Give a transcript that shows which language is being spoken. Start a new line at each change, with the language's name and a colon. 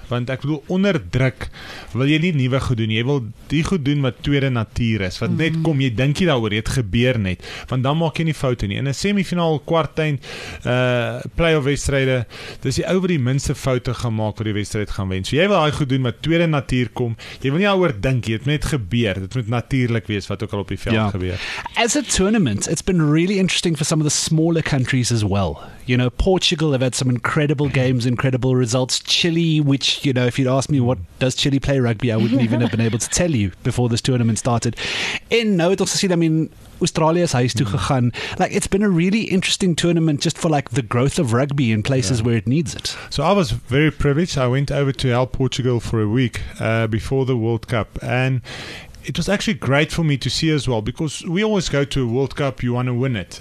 Afrikaans: Want ek bedoel, onder druk wil jy nie nuwe goed doen. Jy wil die goed doen wat tweede natuur is, wat net kom, jy dink jy daaroor, dit gebeur net. Want dan maak jy nie foute nie. In 'n semifinaal, kwartfinaal, play-off wedstryde, dis die ou wat die minste foute gaan maak wat die wedstryd gaan wen. So jy wil daai goed doen wat tweede natuur kom. Jy wil nie daaroor dink, dit moet net gebeur. Dit moet natuurlik wees wat ook al op die veld gebeur.
English: As a tournament, it's been really interesting for some of the smaller countries as well. You know, Portugal have had some incredible games, incredible results. Chile, which, you know, if you'd asked me what does Chile play rugby, I wouldn't even have been able to tell you before this tournament started.
Afrikaans: En nou het ons gesien,
English: I mean,
Afrikaans: Australia's huis toe gegaan.
English: Like, it's been a really interesting tournament just for, like, the growth of rugby in places where it needs it. So I was very privileged. I went over to help Portugal for a week before the World Cup. And it was actually great for me to see as well, because we always go to a World Cup, you want to win it.